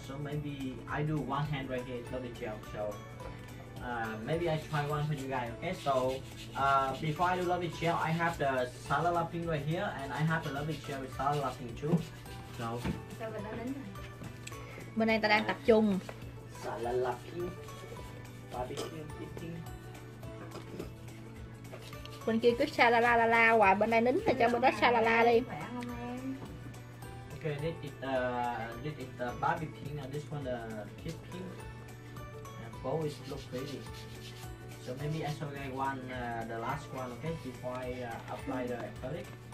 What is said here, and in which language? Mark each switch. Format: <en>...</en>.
<en>So maybe I do one hand right here lovely chair. So. Maybe I try one for you guys, okay? So, before I do lovely chair, I have the salala pink right here, and I have the lovely chair with salala pink too. So,</en> <vi>bữa nay ta đang tập trung.</vi> <en>Salala pink, barbecue pink.</en> <vi>Bên kia cứ salala la la hoài, bên đây nín thì cho bên đó salala đi.</vi> <en>Okay, this is the barbecue pink, and this one the kid pink. Both is look pretty. So maybe I show you one, the last one, okay? Before I apply the acrylic.</en>